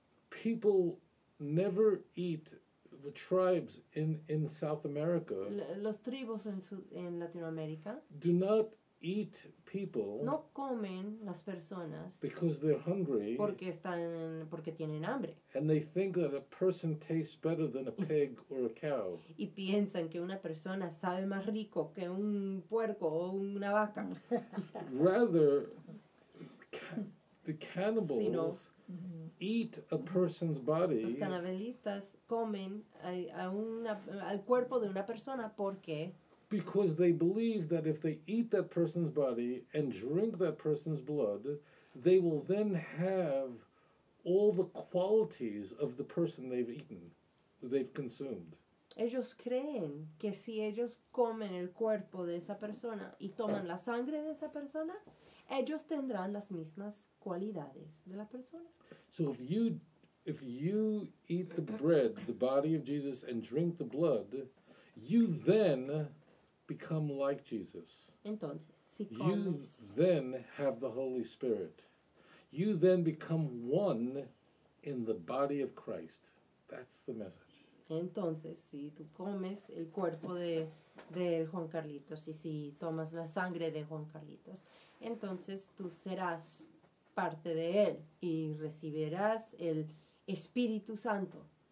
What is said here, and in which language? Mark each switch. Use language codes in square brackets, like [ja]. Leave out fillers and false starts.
[en] People never eat the tribes in South America. [es] Los tribus en Latinoamérica. [en] Do not eat people. [es] No comen las personas. [en] Because they're hungry. [es] Porque tienen hambre. [en] And they think that a person tastes better than a pig or a cow. [es] Y piensan que una persona sabe más rico que un puerco o una vaca. [en] Rather, the cannibals [es] sino, [en] eat a person's body. [es] Los canibalistas comen al cuerpo de una persona porque. [en] Because they believe that if they eat that person's body and drink that person's blood, they will then have all the qualities of the person they've eaten, they've consumed. [es] Ellos creen que si ellos comen el cuerpo de esa persona y toman la sangre de esa persona, ellos tendrán las mismas cualidades de la persona. [en] So if you eat the bread, the body of Jesus, and drink the blood, you then become like Jesus. [es] Entonces, si comes, [en] you then have the Holy Spirit. You then become one in the body of Christ. That's the message. [es] Entonces, si tú comes el cuerpo de Juan Carlitos y si tomas la sangre de Juan Carlitos, entonces tú serás parte de él y recibirás el Espíritu Santo.